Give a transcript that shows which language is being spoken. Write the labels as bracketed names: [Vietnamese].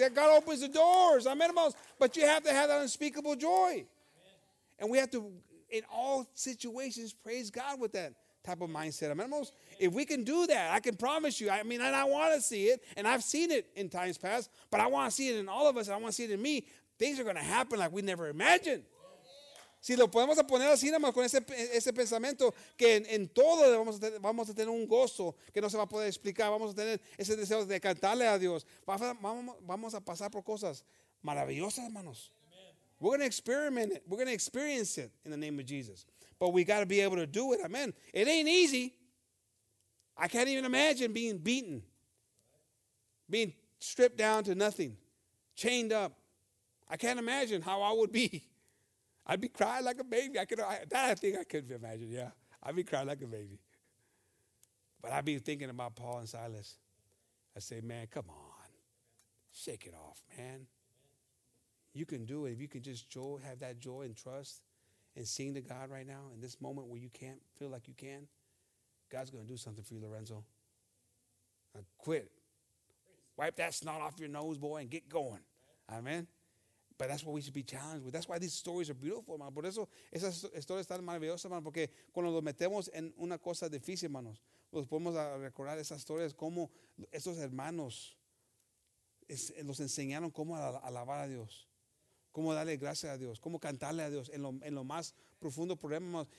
[English] God opens the doors. Amen, hermanos. But you have to have that unspeakable joy. Amen. And we have to, in all situations, praise God with that type of mindset. Amen, hermanos. If we can do that, I can promise you. I mean, and I want to see it. And I've seen it in times past. But I want to see it in all of us. And I want to see it in me. Things are going to happen like we never imagined. [Spanish] Si lo podemos poner así, hermanos, con ese pensamiento, que en todo vamos a tener un gozo que no se va a poder explicar. Vamos a tener ese deseo de cantarle a Dios. Vamos a pasar por cosas maravillosas, hermanos. Amen. [English] We're going to experiment it. We're going to experience it in the name of Jesus. But we got to be able to do it. Amen. It ain't easy. I can't even imagine being beaten, being stripped down to nothing, chained up. I can't imagine how I would be. I'd be crying like a baby. I think I could imagine. Yeah, I'd be crying like a baby. But I'd be thinking about Paul and Silas. I'd say, man, come on. Shake it off, man. You can do it. If you can just have that joy and trust and sing to God right now in this moment where you can't feel like you can, God's going to do something for you, Lorenzo. Now quit. Wipe that snot off your nose, boy, and get going. Amen. But that's what we should be challenged with. That's why these stories are beautiful, hermano. [Spanish] Por eso esas historias están maravillosas, hermano. Porque cuando los metemos en una cosa difícil, hermanos, los podemos recordar esas historias como estos hermanos los enseñaron cómo alabar a Dios, cómo darle gracias a Dios, cómo cantarle a Dios en lo más profundo problema, hermanos.